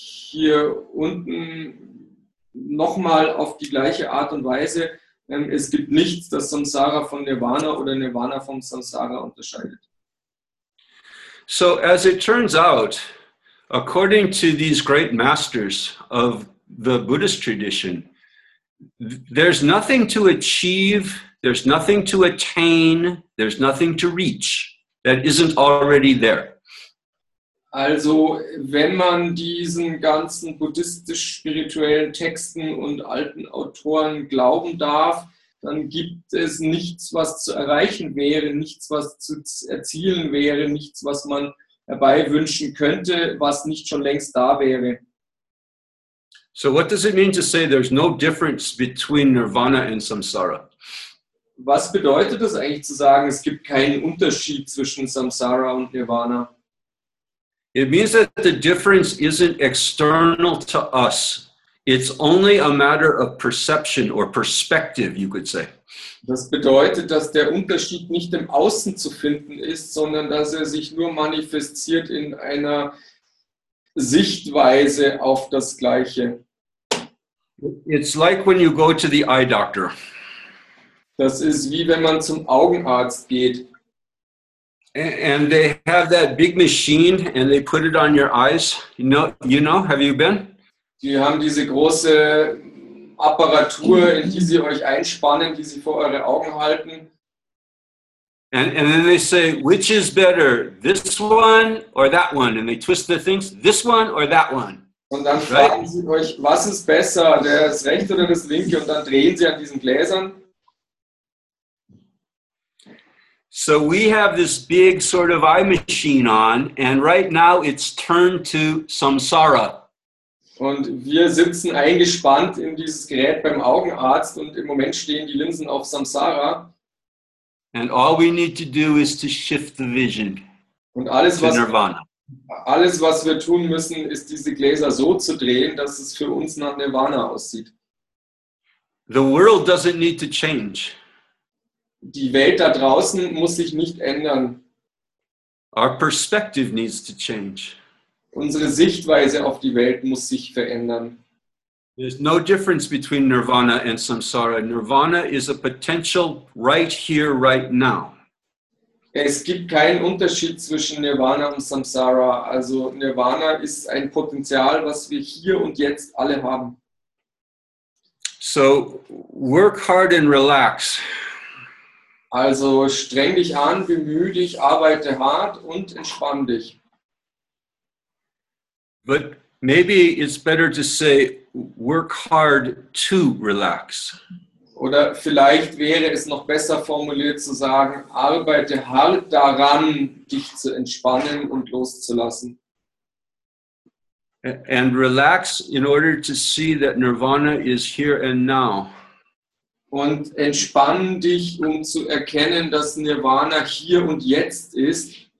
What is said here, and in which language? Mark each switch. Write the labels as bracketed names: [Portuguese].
[German] hier unten nochmal auf die gleiche Art und Weise. Es gibt nichts, das Samsara von Nirvana oder Nirvana vom Samsara unterscheidet. [English] So, as it turns out, according to these great masters of the Buddhist tradition, there's nothing to achieve, there's nothing to attain, there's nothing to reach that isn't already there. [German] Also, wenn man diesen ganzen buddhistisch-spirituellen Texten und alten Autoren glauben darf, dann gibt es nichts, was zu erreichen wäre, nichts, was zu erzielen wäre, nichts, was man herbei wünschen könnte, was nicht schon längst da wäre. [English] So what does it mean to say there's no difference between Nirvana and Samsara? [German] Was bedeutet es eigentlich zu sagen, es gibt keinen Unterschied zwischen Samsara und Nirvana? [English] It means that the difference isn't external to us. It's only a matter of perception or perspective, you could say. [German] Das bedeutet, dass der Unterschied nicht im Außen zu finden ist, sondern dass er sich nur manifestiert in einer Sichtweise auf das Gleiche. [English] It's like when you go to the eye doctor. [German] Das ist wie wenn man zum Augenarzt geht. [English] And they have that big machine and they put it on your eyes. You know, have you been? [German] Die haben diese große Apparatur, in die sie euch einspannen, die sie vor eure Augen halten. [English] And then they say, which is better, this one or that one? And they twist the things, this one or that one? [German] Und dann fragen sie euch, was ist besser, das rechte oder das linke? Und dann drehen sie an diesen Gläsern. [English] So we have this big sort of eye machine on, and right now it's turned to Samsara. [German] Und wir sitzen eingespannt in dieses Gerät beim Augenarzt und im Moment stehen die Linsen auf Samsara. [English] And all we need to do is to shift the vision. [German] Und alles was wir tun müssen, ist diese Gläser so zu drehen, dass es für uns nach Nirvana aussieht. [English] The world doesn't need to change. [German] Die Welt da draußen muss sich nicht ändern. [English] Our perspective needs to change. [German] Unsere Sichtweise auf die Welt muss sich verändern. [English] There's no difference between Nirvana and Samsara. Nirvana is a potential right here, right now. [German] Es gibt keinen Unterschied zwischen Nirvana und Samsara. Also Nirvana ist ein Potenzial, was wir hier und jetzt alle haben. [English] So work hard and relax. [German] Also streng dich an, bemühe dich, arbeite hart und entspann dich. [English] But maybe it's better to say work hard to relax. [German] Oder vielleicht wäre es noch besser formuliert zu sagen, arbeite hart daran, dich zu entspannen und loszulassen. [English] And relax in order to see that Nirvana is here and now. [German] Und entspann dich, um zu erkennen, dass Nirvana hier und jetzt ist.